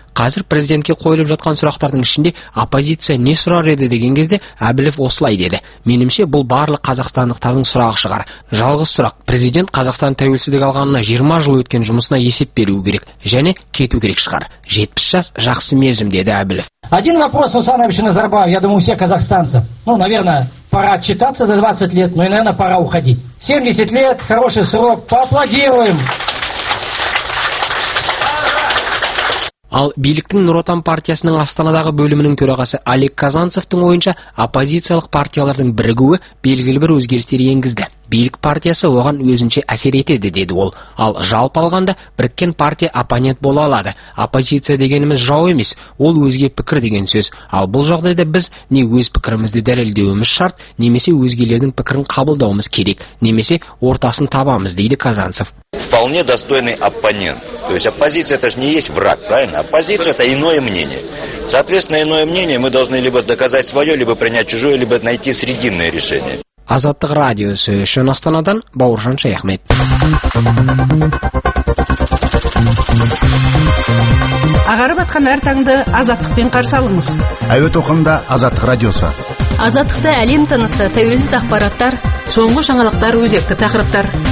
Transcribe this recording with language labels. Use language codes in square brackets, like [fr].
[kk] Қазір президентке қойылып жатқан сұрақтардың ішінде оппозиция не сұрар еді деген кезде Әбілев осылай деді. Менімше бұл барлық қазақстандықтардың сұрағы шығар. Жалғыз сұрақ, президент Қазақстан тәуелсіздік алғанына 20 жыл өткен жұмысына есеп беруі керек және кету керек шығар. 70 жас жақсы мерзім, деді Әбілев. [ru] Один вопрос Усанович Назарбаев, я думаю, у всех казахстанцев. Ну, наверное, пора отчитаться за 20 лет, но и, наверное, пора уходить. 70 лет, хороший срок. Поаплодируем. [kk] Ал биліктің Нұр Отан партиясының Астанадағы бөлімінің төрағасы Олег Казанцевтің ойынша, оппозициялық партиялардың бірігуі белгілі бір өзгерістер енгізді. Билік партиясы оған өзінше әсер етеді, деді ол. Ал жалпы алғанда, біріккен партия оппонент бола алады. Оппозиция дегеніміз жау емес, ол өзге пікір деген сөз. Ал бұл жағдайда біз не өз пікірімізді дәлелдеуіміз шарт, немесе өзгелердің пікірін қабылдауымыз керек, немесе ортасын табамыз, дейді Казанцев. [ru] Вполне достойный оппонент. То есть оппозиция это же не есть враг, правильно? Оппозиция это иное мнение. Соответственно, иное мнение мы должны либо доказать свое, либо принять чужое, либо найти срединное решение. [kk] Азаттық радиосы үшін Астанадан Бауыржан Шаяхмет. Ағарып атқан әр таңды азаттықпен қарсы алыңыз. Әуе толқынында Азаттық радиосы. Азаттықта әлем тынысы, тәуелсіз ақпараттар, соңғы жаңалықтар, өзекті тақырыптар.